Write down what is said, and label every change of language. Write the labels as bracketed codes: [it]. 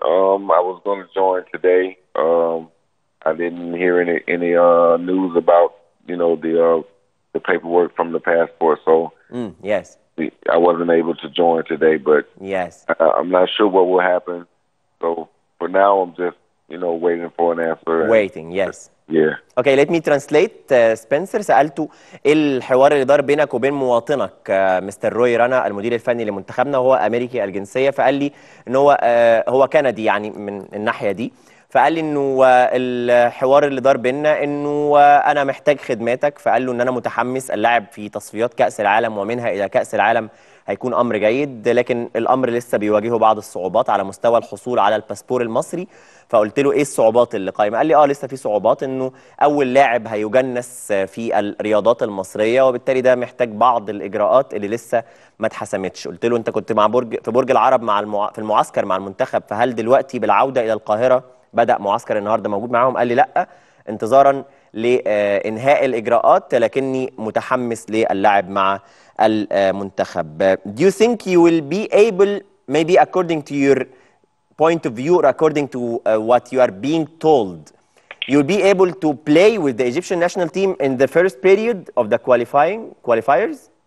[en] I was going to join today. I didn't hear any news about, you know, the paperwork from the passport. So yes, I wasn't able to join today. But yes, I'm not sure what will happen. So for now, I'm just, you know, waiting for an answer. Waiting. Yes. Yeah. Okay, let me translate. [ar] Spencer, سألته إيه الحوار اللي دار بينك وبين مواطنك مستر روي رانا المدير الفني لمنتخبنا، وهو أمريكي الجنسية، فقال لي إن هو كندي يعني من الناحية دي، فقال لي إنه الحوار اللي دار بينا إنه أنا محتاج خدماتك، فقال له إن أنا متحمس اللعب في تصفيات كأس العالم، ومنها إلى كأس العالم هيكون أمر جيد، لكن الأمر لسه بيواجهه بعض الصعوبات على مستوى الحصول على الباسبور المصري. فقلت له إيه الصعوبات اللي قايمة؟ قال لي آه لسه في صعوبات، إنه أول لاعب هيجنس في الرياضات المصرية، وبالتالي ده محتاج بعض الإجراءات اللي لسه ما اتحسمتش. قلت له أنت كنت مع برج العرب في المعسكر مع المنتخب، فهل دلوقتي بالعودة إلى القاهرة بدأ معسكر النهاردة موجود معاهم؟ قال لي لأ، انتظاراً لإنهاء الإجراءات، لكني متحمس للعب مع المنتخب. [en] Do you think you will be able, maybe according to your point of view or according to what you are being told, you'll be able to play with the Egyptian national team in the first period of the qualifiers?